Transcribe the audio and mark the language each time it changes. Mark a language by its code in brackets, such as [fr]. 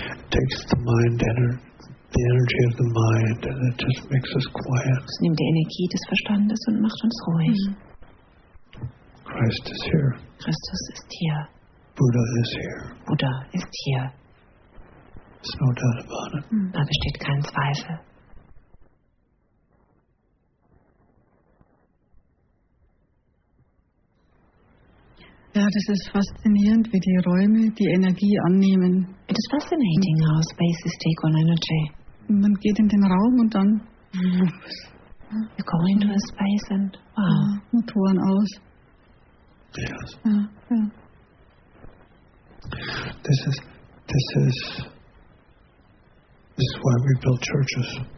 [en] It takes the mind the energy of the mind, and it just makes us quiet. [de] Es nimmt die Energie des Verstandes und macht uns ruhig. [en] Christ is here. [de] Christus ist hier. [en] Buddha is here. [de] Buddha ist hier. [en] There's no doubt about it. [de] Da besteht kein Zweifel. Ja, das ist faszinierend, wie die Räume die Energie annehmen. [en] It is fascinating how spaces take on energy. [de] Man geht in den Raum und dann. [en] You go into a space and wow. [de] Motoren aus. [en] Yes. [de] Ja. [en] This is why we build churches.